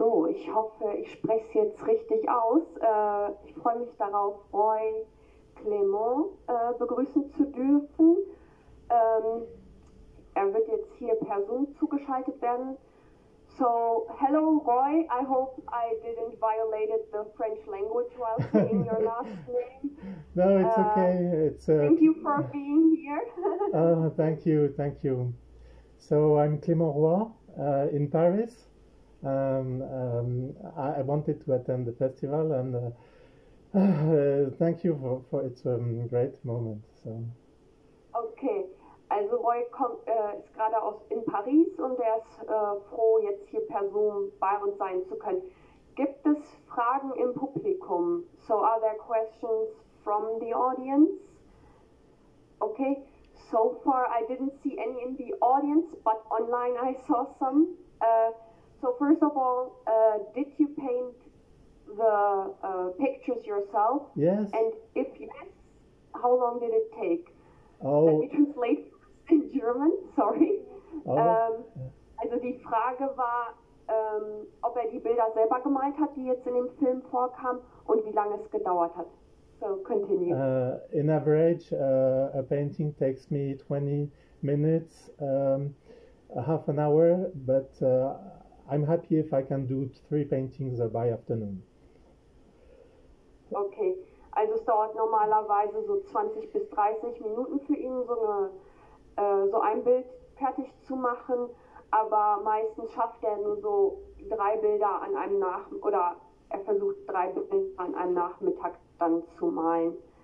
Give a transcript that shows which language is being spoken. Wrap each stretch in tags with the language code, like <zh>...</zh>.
<de>ich hoffe, ich spreche es jetzt richtig aus. Ich freue mich darauf, Roy Clément begrüßen zu dürfen. Er wird jetzt hier per Zoom zugeschaltet werden.</de> <en>So, hello Roy, I hope I didn't violate the French language while saying your last name. No, it's okay. It's thank you for being here. thank you, thank you. So I'm Clément Roy in Paris. I wanted to attend the festival, and thank you for it's a great moment. So.</en> <de>Okay, also Roy kommt ist gerade aus in Paris und er ist froh, jetzt hier per Zoom bei uns sein zu können. Gibt es Fragen im Publikum?</de> <en>So are there questions from the audience? Okay. So far, I didn't see any in the audience, but online I saw some. So first of all, did you paint the pictures yourself? Yes. And if yes, how long did it take? Oh. Let me translate in German, sorry. Oh.</en> <de>Also die Frage war, ob er die Bilder selber gemalt hat, die jetzt in dem Film vorkamen, und wie lange es gedauert hat.</de> <en>So continue. In average, a painting takes me 20 minutes, half an hour, but I'm happy if I can do 3 paintings by afternoon.</en> <de>Okay, also es dauert normalerweise so 20 bis 30 Minuten für ihn, so ein Bild fertig zu machen, aber meistens schafft er nur so 3 Bilder an einem oder er versucht 3 Bilder an einem Nachmittag dann zu malen.</de>